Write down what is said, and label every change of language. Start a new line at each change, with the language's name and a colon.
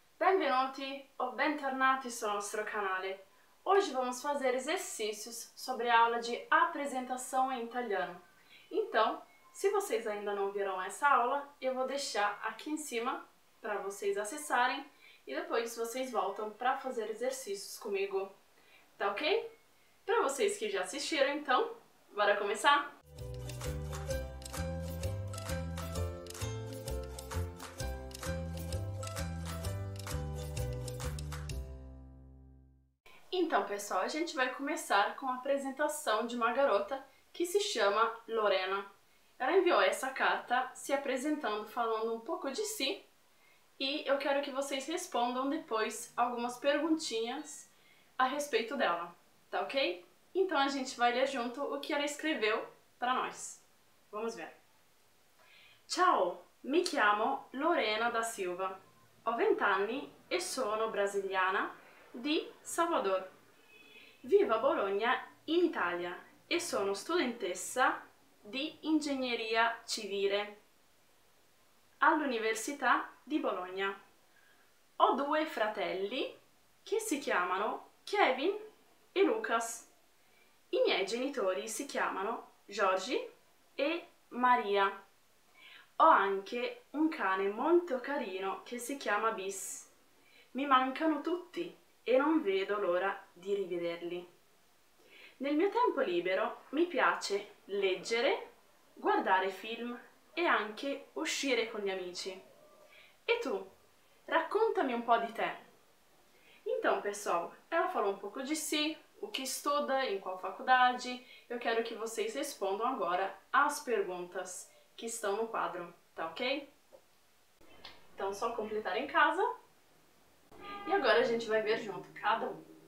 Italian: Benvenuti o bentornati sul nostro canale.
Portuguese: Hoje vamos fazer exercícios sobre a aula de apresentação em italiano. Então, se vocês ainda não viram essa aula, eu vou deixar aqui em cima para vocês acessarem e depois vocês voltam para fazer exercícios comigo. Tá ok? Para vocês que já assistiram, então, bora começar? Então, pessoal, a gente vai começar com a apresentação de uma garota que se chama Lorena. Ela enviou essa carta se apresentando, falando um pouco de si, e eu quero que vocês respondam depois algumas perguntinhas a respeito dela, tá ok? Então, a gente vai ler junto o que ela escreveu para nós. Vamos ver.
Italian: Ciao, mi chiamo Lorena da Silva. Ho 20 anni e sono brasiliana di Salvador. Vivo a Bologna in Italia e sono studentessa di ingegneria civile all'Università di Bologna. Ho due fratelli che si chiamano Kevin e Lucas. I miei genitori si chiamano Giorgi e Maria. Ho anche un cane molto carino che si chiama Bis. Mi mancano tutti e non vedo l'ora di rivederli. Nel mio tempo libero mi piace leggere, guardare film e anche uscire con gli amici. E tu, raccontami un po' di te.
Portuguese: Então, pessoal, ela falou um pouco de si, o que estuda, em qual faculdade. Eu quero que vocês respondam agora às perguntas que estão no quadro, tá ok? Então, só completar em casa. E agora a gente vai ver junto cada um.